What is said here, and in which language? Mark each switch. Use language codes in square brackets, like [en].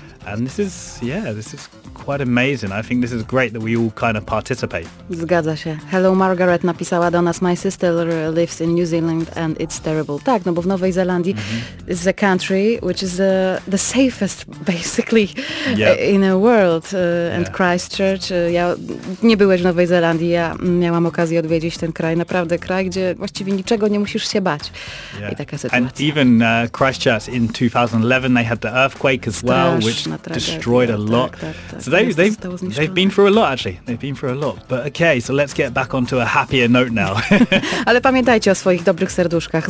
[en] And this is quite amazing. I think this is great that we all kind of participate. [pl] Zgadza się. Hello, Margaret napisała do nas. [en] My sister lives in New Zealand and it's terrible. [pl] Tak, no bo w Nowej Zelandii [en] is a country which is the safest, basically, in the world. And Christchurch. [pl] Ja nie byłeś w Nowej Zelandii. Ja miałam okazję odwiedzić ten kraj. Naprawdę kraj, gdzie właściwie niczego nie musisz się bać. I taka sytuacja. [en] And even Christchurch in 2011, they had the earthquake as well, which destroyed a lot. So they've been through a lot, actually. They've been through a lot. But okay, so let's get back onto a happier note now. [pl] Ale pamiętajcie o swoich dobrych serduszkach.